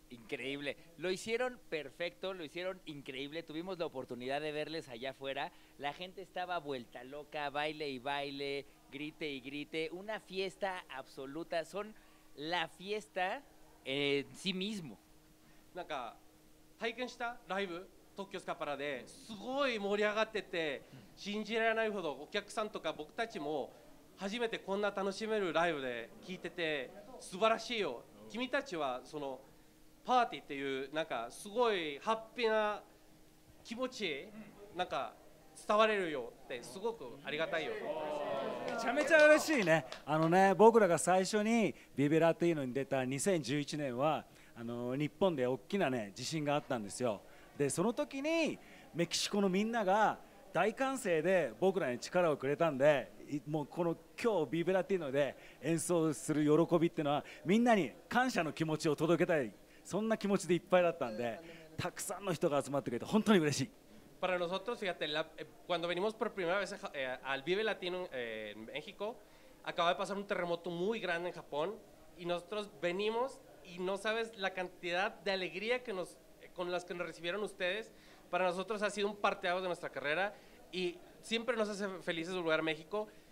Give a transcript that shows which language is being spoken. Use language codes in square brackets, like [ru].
[es] Increíble, lo hicieron perfecto, lo hicieron increíble, tuvimos la oportunidad de verles allá afuera, la gente estaba vuelta loca, baile y baile, grite y grite, una fiesta absoluta, son la fiesta en sí mismo. [ja] Naka, 体験したライブ東京スカパラですごい盛り上がってて信じられないほどお客さんとか僕たちも初めてこんな楽しめるライブで聞いてて素晴らしいよ君たちはそのパーティーっていうなんかすごいハッピーな気持ちなんか伝われるよってすごくありがたいよめちゃめちゃ嬉しいね僕らが最初にビビラというのに出た2011年は日本で大きなね地震があったんですよ。で、その時にメキシコのみんながが大歓声で僕らに力をくれたんで、もうこの今日ビブラティーノで演奏する喜びっていうのはみんなに感謝の気持ちを届けたい。そんな気持ちでいっぱいだったんで、たくさんの人が集まってくれて本当に嬉しい。 [es] Para nosotros, fíjate, cuando venimos por primera vez al Vive Latino en México, acaba de pasar un terremoto muy grande en Japón y nosotros venimos y no sabes la cantidad de alegría que nos, con las que nos recibieron ustedes. Para nosotros ha sido un parteado de nuestra carrera y siempre nos hace felices volver a México.